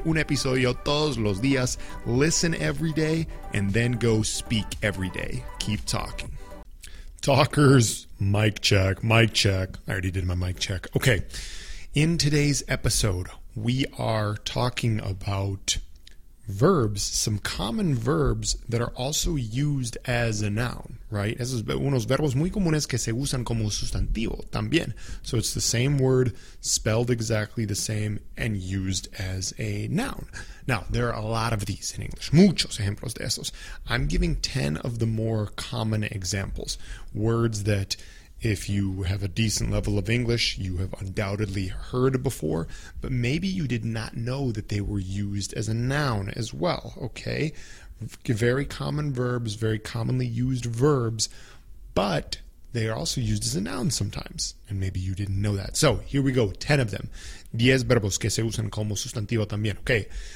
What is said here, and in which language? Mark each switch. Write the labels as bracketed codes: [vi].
[es] Un episodio todos los días. [en] Listen every day and then go speak every day. Keep talking. Talkers, mic check. I already did my mic check. Okay, in today's episode, we are talking about verbs, some common verbs that are also used as a noun, right? [es] Esos unos verbos muy comunes que se usan como sustantivo también. [en] So it's the same word, spelled exactly the same, and used as a noun. Now, there are a lot of these in English. [es] Muchos ejemplos de esos. [en] I'm giving 10 of the more common examples. Words that if you have a decent level of English, you have undoubtedly heard before, but maybe you did not know that they were used as a noun as well, okay? Very common verbs, very commonly used verbs, but they are also used as a noun sometimes, and maybe you didn't know that. So, here we go, 10 of them. [es] 10 verbos que se usan como sustantivo también, okay?